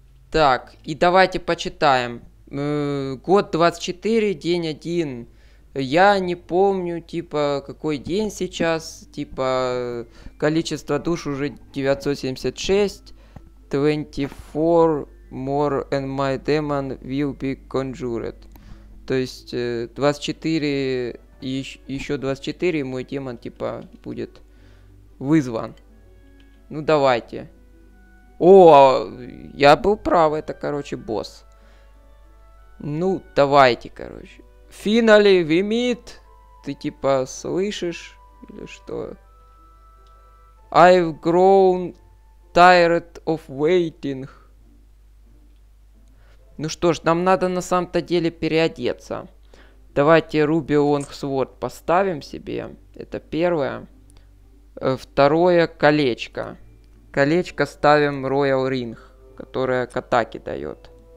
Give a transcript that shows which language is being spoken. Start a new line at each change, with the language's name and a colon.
Russian: Так, и давайте почитаем. Год 24, день 1. Я не помню, типа, какой день сейчас. Типа, количество душ уже 976.
English: 24 more and my demon will be conjured.
Russian: То есть, 24... Еще 24, и мой демон, типа, будет вызван. Ну, давайте. О, я был прав, это, короче, босс. Ну, давайте, короче.
English: Finally we meet.
Russian: Ты, типа, слышишь? Или что?
English: I've grown tired of waiting.
Russian: Ну что ж, нам надо на самом-то деле переодеться. Давайте Руби Лонгсворд поставим себе. Это первое. Второе колечко. Колечко ставим Royal Ring, которое к атаке дает.